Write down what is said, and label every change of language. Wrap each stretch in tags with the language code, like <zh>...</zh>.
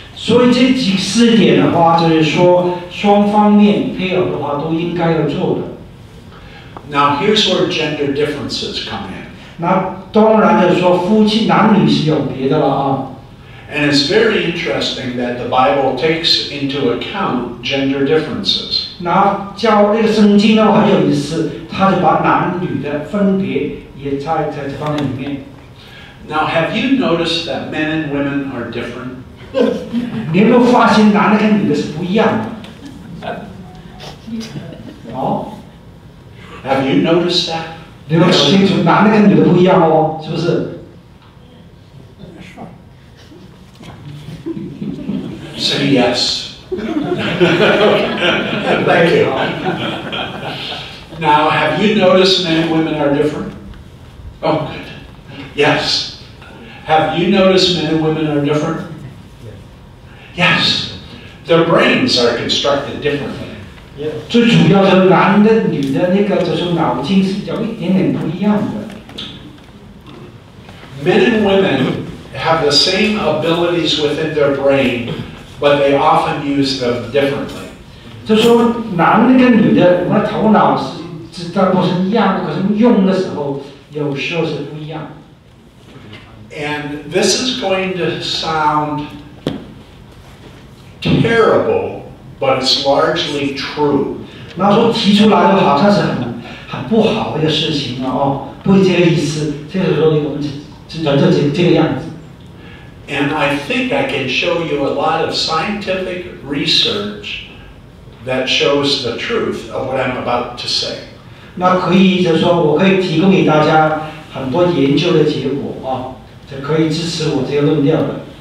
<zh>所以这几四点的话，就是说双方面配偶的话都应该要做的。</zh> <en>Now here's where gender differences come in.</en> <zh>那当然的说，夫妻男女是有别的了啊。</zh> <en>And it's very interesting that the Bible takes into account gender differences.</en> <zh>那教那个圣经呢很有意思，他就把男女的分别也在这方面里面。</zh> <en>Now, have you noticed that men and women are different?</en> <zh>你有没有发现男的跟女的是不一样的？哦。</zh> <en>Have you noticed that?</en> <zh>你有没有清楚男的跟女的不一样哦？是不是？</zh> <en>Say yes. Thank you. Now, have you noticed men and women are different? Oh, good. Yes. Have you noticed men and women are different? Yes. Their brains are constructed differently.</en> <zh>最主要是男的女的那个就是脑筋是有一点点不一样的。</zh> <en>Men and women have the same abilities within their brain. But they often use them differently.</en> <zh>就说男的跟女的，我们头脑是知道不是一样的，可是用的时候有时候是不一样。</zh> <en>And this is going to sound terrible, but it's largely true.</en> <zh>那说提出来的好像是很不好的一个事情了哦，不是这个意思。这个时候我们这个样子。</zh> <en>And I think I can show you a lot of scientific research that shows the truth of what I'm about to say.</en> <zh>那可以就说我可以提供给大家很多研究的结果啊，这可以支持我这个论调的。</zh>